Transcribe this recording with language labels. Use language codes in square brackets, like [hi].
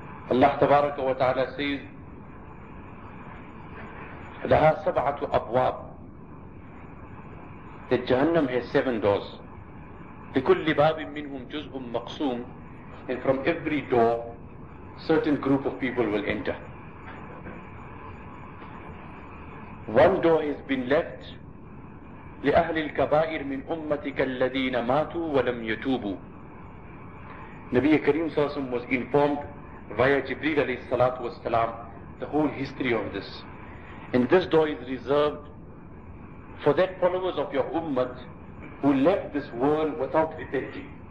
[en] Allah tabaraka wa ta'ala says, [ar] laha sab'atu abwab, [en] that Jahannam has 7 doors. [ar] Likulli babin minhum juz'un maqsoom, [en] and from every door, certain group of people will enter. One door has been left, [ar] لأهل الكبائر من أمتك الذين ماتوا ولم يتوبوا. [en] Nabi Kareem Sallallahu Alaihi Wasallam was informed via Jibreel alayhi salatu was salam the whole history of this. And this door is reserved for that followers of your ummah who left this world without repenting.